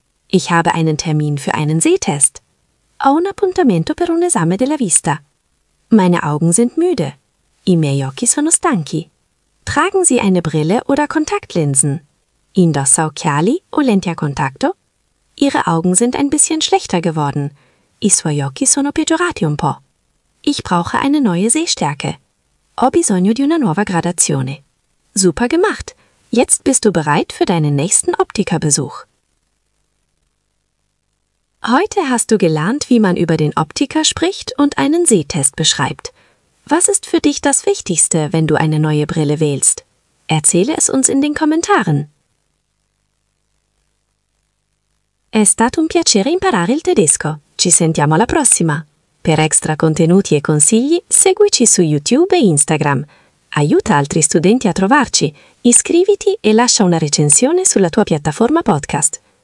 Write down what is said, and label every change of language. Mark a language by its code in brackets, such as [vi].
[de] Ich habe einen Termin für einen Sehtest. [it] Ho un appuntamento per un esame della vista. [de] Meine Augen sind müde. [it] I miei occhi sono stanchi. [de] Tragen Sie eine Brille oder Kontaktlinsen? [it] Indossa occhiali o lenti a contatto? [de] Ihre Augen sind ein bisschen schlechter geworden. [it] I suoi occhi sono peggiorati un po'. [de] Ich brauche eine neue Sehstärke. [it] Ho bisogno di una nuova gradazione. [de] Super gemacht! Jetzt bist du bereit für deinen nächsten Optikerbesuch. Heute hast du gelernt, wie man über den Optiker spricht und einen Sehtest beschreibt. Was ist für dich das Wichtigste, wenn du eine neue Brille wählst? Erzähle es uns in den Kommentaren. [it] È stato un piacere imparare il tedesco. Ci sentiamo alla prossima. Per extra contenuti e consigli, seguici su YouTube e Instagram. Aiuta altri studenti a trovarci. Iscriviti e lascia una recensione sulla tua piattaforma podcast.